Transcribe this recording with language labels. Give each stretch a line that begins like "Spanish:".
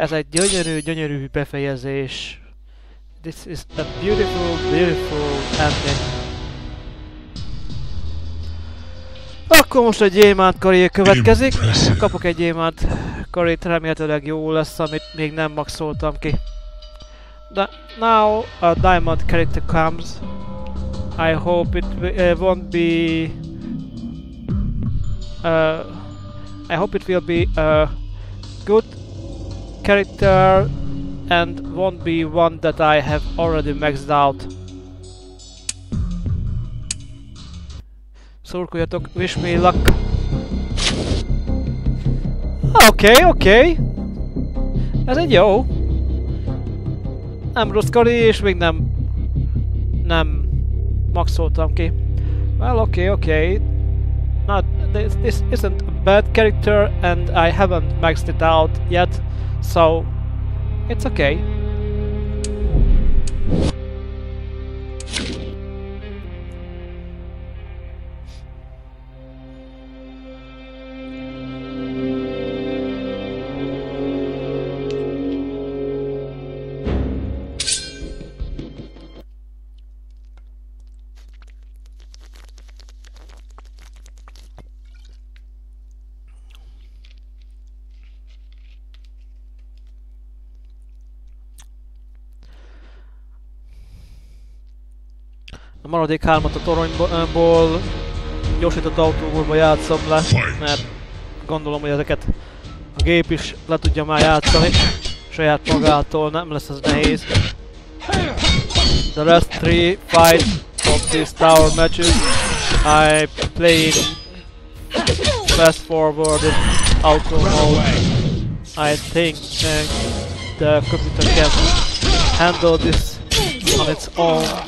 Hungarian: Ez egy gyönyörű, gyönyörű befejezés.
English: This is a beautiful, beautiful ending.
Hungarian: Akkor most a gyémánt karé következik. Impressive. Kapok egy gyémánt karét, remélhetőleg jó lesz, amit még nem maxoltam ki.
English: The, now a diamond character comes. I hope it won't be... I hope it will be a good character and won't be one that I have already maxed out.
Hungarian: Szurkoljatok,
English: wish me luck.
Hungarian: Okay, okay. Ez egy jó. Nem rossz kari és még nem maxoltam ki.
English: Well, okay, okay. Not this isn't bad character and I haven't maxed it out yet, so it's okay.
Hungarian: A maradék hármat a toronyból gyorsított autóborba játszom le, mert gondolom, hogy ezeket a gép is le tudja már játszani saját magától, nem lesz ez nehéz.
English: The last three fights of these tower matches I played fast forward in auto mode. I think the computer can handle this on its own.